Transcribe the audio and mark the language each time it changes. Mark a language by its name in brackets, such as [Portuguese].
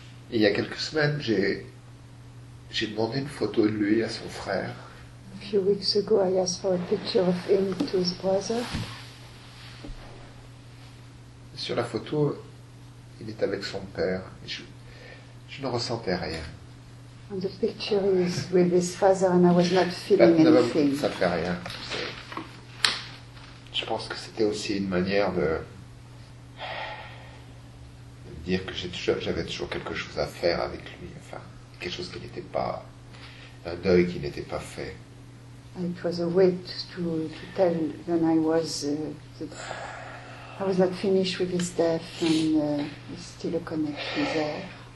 [French] Il y a quelques semaines, j'ai demandé une photo de lui à son frère. [English] A few weeks ago, I asked for a picture of him to his brother. [French] Sur la photo, il est avec son père. Je ne ressentais rien. [English] On the picture, he is with his father, and I was not feeling anything. [French] Ça fait rien. Je pense que c'était aussi une manière de dire que j'avais toujours quelque chose à faire avec lui, enfin, quelque chose qui n'était pas, un deuil qui n'était pas fait. [English] It was a way to tell when I was not finished with his death and there's still a connection there.